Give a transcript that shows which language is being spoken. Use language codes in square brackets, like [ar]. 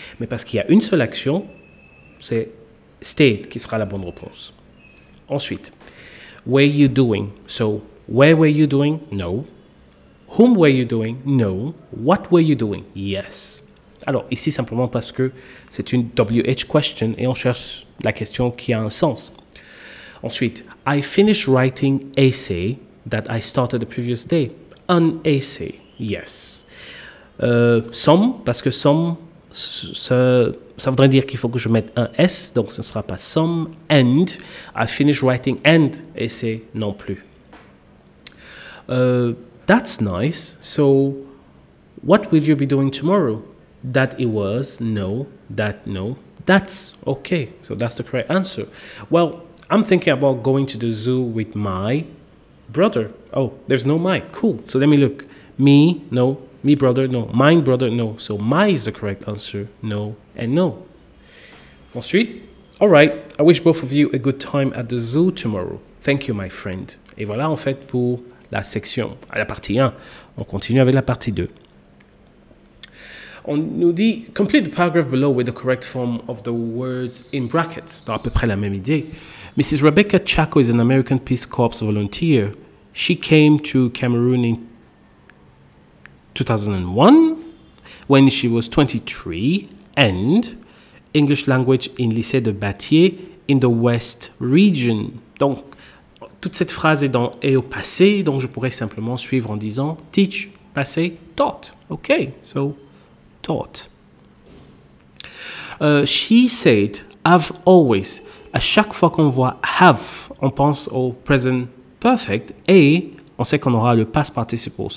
[fr] Mais parce qu'il y a une seule action, c'est stayed qui sera la bonne réponse. [en] Ensuite, where you doing? So, where were you doing? No. Whom were you doing? No. What were you doing? Yes. [fr] Alors, ici, simplement parce que c'est une WH question et on cherche la question qui a un sens. [en] Ensuite, I finished writing essay that I started the previous day. An essay. Yes. [fr] Some, parce que some, ça voudrait dire qu'il faut que je mette un S, donc ce ne sera pas some. [en] And, I finished writing and essay [fr] non plus. [en] That's nice. So, what will you be doing tomorrow? That it was, no, that, no. That's okay. So, that's the correct answer. Well, I'm thinking about going to the zoo with my brother. Oh, there's no my. Cool. So, let me look. Me, no. Me, brother, no. Mine, brother, no. So, my is the correct answer. No and no. Ensuite, all right. I wish both of you a good time at the zoo tomorrow. Thank you, my friend. [fr] Et voilà, en fait, pour la section, à la partie 1. On continue avec la partie 2. On nous dit, [en] complete the paragraph below with the correct form of the words in brackets. [fr] Donc, à peu près la même idée. Mrs. [en] Rebecca Chaco is an American Peace Corps volunteer. She came to Cameroon in 2001 when she was 23 and English language in lycée de Batier in the West region. [fr] Donc, toute cette phrase est, est au passé, donc je pourrais simplement suivre en disant teach, passé, taught. [en] OK, so taught. She said, I've always. [fr] À chaque fois qu'on voit have, on pense au present perfect et on sait qu'on aura le past participle.